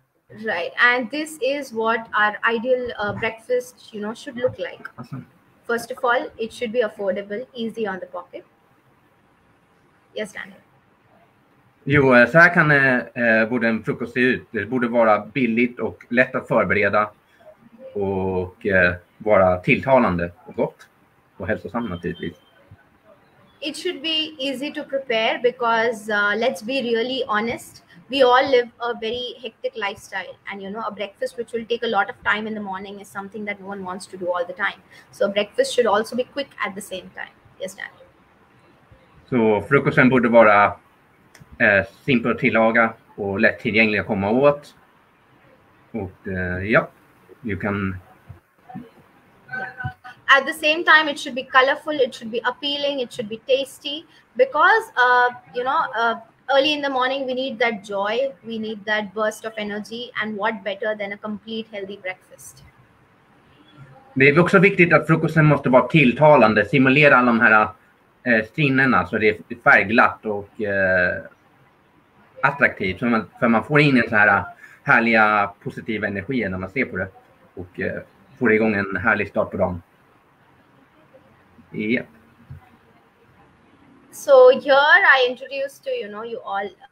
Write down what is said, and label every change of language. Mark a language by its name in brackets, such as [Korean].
[English] Right, and this is what our ideal breakfast, you know, should look like. Awesome. First of all, it should be affordable, easy on the pocket. Yes, Daniel. [Swedish] Jo, så här kan borde en frukost se ut. Det borde vara billigt och lätt att förbereda och vara tilltalande och gott och hälsosamt naturligtvis. [English] It should be easy to prepare because let's be really honest. We all live a very hectic lifestyle and, you know, a breakfast which will take a lot of time in the morning is something that no one wants to do all the time. So breakfast should also be quick at the same time. Yes, Daniel. [Swedish] So frukosten borde vara simpel att tillaga och lättillgänglig att komma åt. Och ja, [English] you can... At the same time, it should be colorful, it should be appealing, it should be tasty because, you know, early in the morning, we need that joy, we need that burst of energy, and what better than a complete healthy breakfast? [Swedish] Det är också viktigt att frukosten måste vara tilltalande, simulera alla de här sinnena så det är färgglatt och attraktivt. För man får in en så här härliga, positiva energier när man ser på det och får igång en härlig start på dagen. [English] Yep. So here I introduce to you know you all.